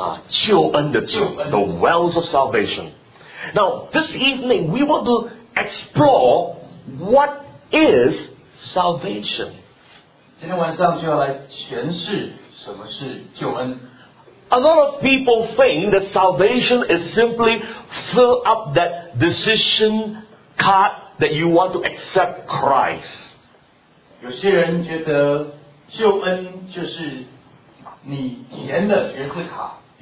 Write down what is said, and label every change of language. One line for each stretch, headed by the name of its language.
Chinese: 救恩的救恩
English: the wells of salvation. Now, this evening, we want to explore what is salvation.
Chinese: 今天晚上就要来诠释什么是救恩。
English: A lot of people think that salvation is simply fill up that decision card that you want to accept Christ.
Chinese: 有些人觉得救恩就是你填的决志卡。